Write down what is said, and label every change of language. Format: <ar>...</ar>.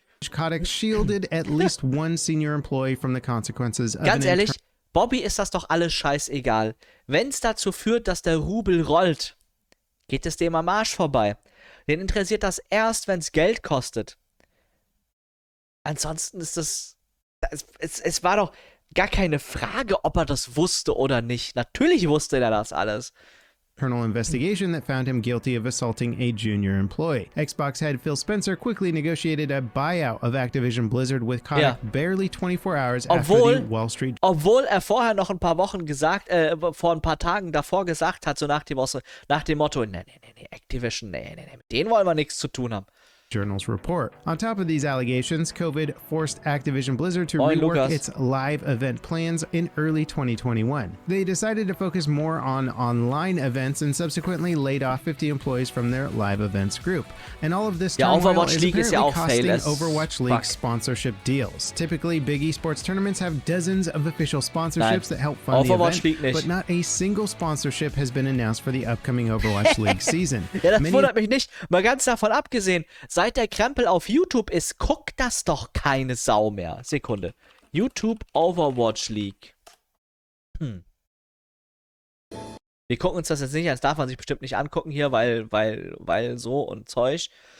<en>Kotick shielded at least one senior employee from the consequences of</en> <de>Ganz ehrlich, Bobby, ist das doch alles scheißegal. Wenn es dazu führt, dass der Rubel rollt, geht es dem am Arsch vorbei. Den interessiert das erst, wenn es Geld kostet. Ansonsten ist das... Es war doch gar keine Frage, ob er das wusste oder nicht. Natürlich wusste er das alles.</de> <en>Internal investigation that found him guilty of assaulting a junior employee. Xbox head Phil Spencer quickly negotiated a buyout of Activision Blizzard with Kotick barely 24 hours after the Wall Street.</en> <de>Obwohl er vorher noch ein paar Wochen gesagt, vor ein paar Tagen davor gesagt hat, so nach dem Motto, Activision, mit denen wollen wir nichts zu tun haben.</de> <en>Journal's report. On top of these allegations, COVID forced Activision Blizzard to rework its live event plans in early 2021. They decided to focus more on online events and subsequently laid off 50 employees from their live events group. And all of this turmoil is apparently costing Overwatch League sponsorship deals. Typically, big esports tournaments have dozens of official sponsorships that help fund the event, but not a single sponsorship has been announced for the upcoming Overwatch League season.</en> <de>Ja, das wundert mich nicht. Mal ganz davon abgesehen, seit der Krempel auf YouTube ist, guckt das doch keine Sau mehr. Sekunde. YouTube Overwatch League. Wir gucken uns das jetzt nicht an. Das darf man sich bestimmt nicht angucken hier, weil so und Zeug.</de>